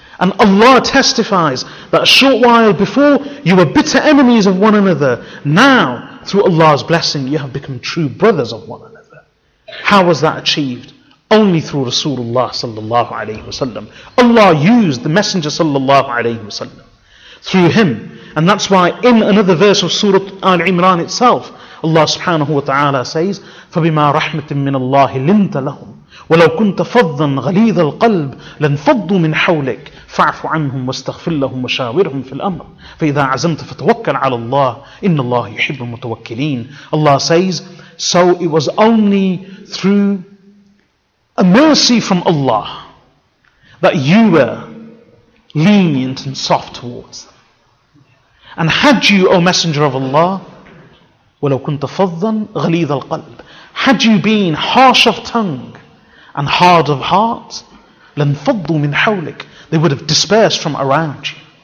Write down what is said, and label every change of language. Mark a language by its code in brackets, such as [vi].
[en] And Allah testifies that a short while before you were bitter enemies of one another, now through Allah's blessing you have become true brothers of one another. How was that achieved? Only through Rasulullah sallallahu alayhi wasallam. Allah used the Messenger sallallahu alayhi wasallam through him. And that's why in another verse of Surah Al-Imran itself, Allah subhanahu wa ta'ala says, [ar] فَبِمَا رَحْمَةٍ مِّنَ اللَّهِ لِنْتَ لَهُمْ وَلَوْ كُنْتَ فَضًّا غَلِيظَ الْقَلْبِ لَنْفَضُّوا مِنْ حَوْلِكَ فَاعْفُ عَنْهُمْ وَاسْتَغْفِرْ لَهُمْ وَشَاوِرْهُمْ فِي الْأَمْرِ فَإِذَا عَزَمْتَ فَتَوَكَّلْ عَلَى اللَّهِ إِنَّ اللَّهَ يُحِبُّ الْمُتَوَكِّلِينَ. [en] Allah says, so it was only through a mercy from Allah that you were lenient and soft towards them. And had you, O Messenger of Allah, [ar] وَلَوْ كُنْتَ فَضًّا غَلِيظَ الْقَلْبِ, [en] had you been harsh of tongue and hard of heart, [ar] لَنْفَضُّوا مِنْ حَوْلِكَ, [en] they would have dispersed from around you.